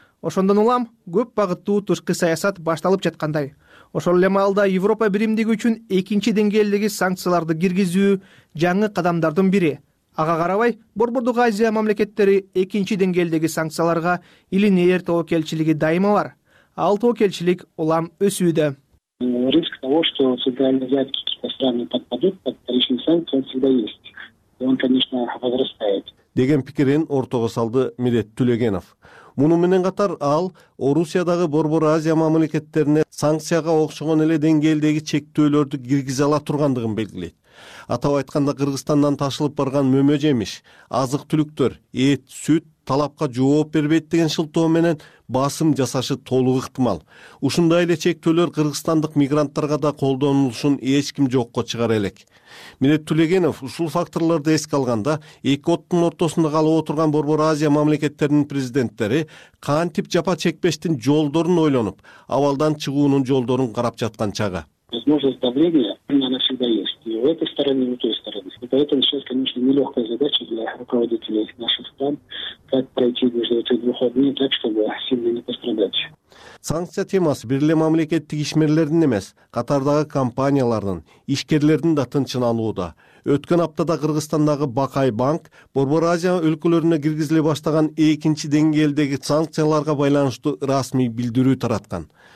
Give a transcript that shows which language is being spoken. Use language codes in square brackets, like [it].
[ky] Ошондон улам көп багыттуу тышкы саясат башталып жаткандай. Ошол эле маалда Европа биримдиги үчүн экинчи деңгээлдеги санкцияларды киргизүү жаңы кадамдардын бири. Ага карабай, Борбордук Азия мамлекеттери экинчи деңгээлдеги санкцияларга илинээр тоокелчилиги дайыма бар. Ал тоокелчилик улам өсүүдө. [ru] Риск того, что социальные взятки какие-то страны подпадут под вторичные санкции, он всегда есть. И он, конечно, возрастает. [ky] Деген пикирин ортого салды Милет Түлегенов. Муну менен катар ал Орусиядагы Борбор Азия мамлекеттерине санкцияга окшогон эле деңгээлдеги чектөөлөрдү киргизе ала тургандыгын белгилейт. Атап айтканда Кыргызстандан ташылып барган мөмө жемиш, азык түлүктөр, эт, сүт талапка жооп бербейт деген шылтоо менен басым жасашы толук ыктымал. Ушундай эле чектөөлөр кыргызстандык мигранттарга да колдонулушун эч ким жокко чыгара элек. Мирет Түлегенов ушул факторлорду эске алганда эки оттун ортосунда калып отурган Борбор Азия мамлекеттеринин президенттери кантип жапа чекпештин жолдорун ойлонуп, абалдан чыгуунун жолдорун карап жаткан чагы. [ru] Возможность давления, она всегда есть и у этой стороны, и у той стороны. И поэтому сейчас, конечно, нелегкая задача для руководителей наших стран, как пройти между этих двух огней так, чтобы сильно не пострадать. [ky] Санкция темасы бир эле мамлекеттик ишмерлердин эмес, катардагы компаниялардын, ишкерлердин да тынчын алууда. Өткөн аптада Кыргызстандагы Бакай банк Борбор Азия өлкөлөрүнө киргизиле баштаган экинчи деңгээлдеги санкцияларга байланыштуу расмий билдирүү тараткан.